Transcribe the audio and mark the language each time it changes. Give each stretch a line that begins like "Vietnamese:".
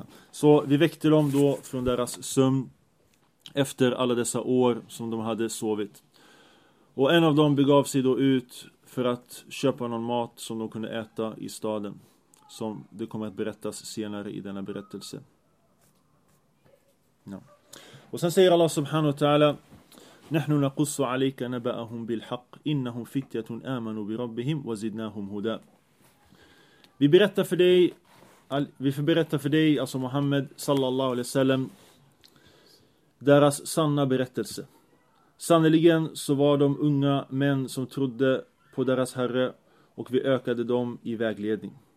Swedish: Så vi väckte dem då från deras sömn efter alla dessa år som de hade sovit. Och en av dem begav sig då ut för att köpa någon mat som de kunde äta i staden, som det kommer att berättas senare i denna berättelse. Ja. Och sen säger
Arabic: Allah subhanahu wa ta'ala نَحْنُ نَقُصُّ عَلَيْكَ نَبَأَهُمْ بِالْحَقِّ إِنَّهُمْ فِتْيَةٌ آمَنُوا بِرَبِّهِمْ وَزِدْنَاهُمْ هُدَى.
Swedish: Vi berättar för dig, vi får berätta för dig, alltså Muhammad sallallahu alaihi wasallam, deras sanna berättelse. Sannoliken så var de unga män som trodde på deras herre och vi ökade dem i vägledning.